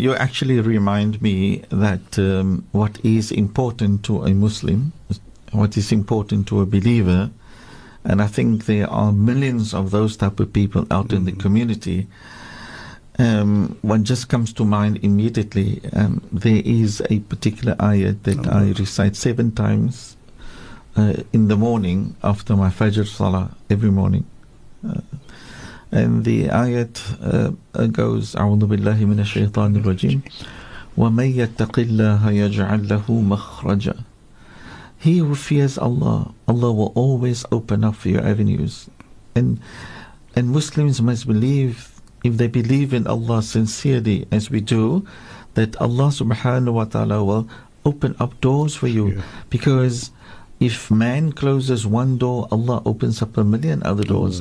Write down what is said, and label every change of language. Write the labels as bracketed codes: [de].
[en] You actually remind me that what is important to a Muslim, what is important to a believer, and I think there are millions of those type of people out in the community. What just comes to mind immediately, there is a particular ayat that I recite seven times. In the morning, after my Fajr Salah, every morning. And the ayat goes, [ar] أعوذ بالله من الشيطان الرجيم وَمَنْ يَتَّقِ اللَّهَ يَجْعَلْ لَهُ مَخْرَجًا. [en] He who fears Allah, Allah will always open up for your avenues. And Muslims must believe, if they believe in Allah sincerely, as we do, that Allah subhanahu wa ta'ala will open up doors for you. Yeah. Because if man closes one door, Allah opens up a million other doors.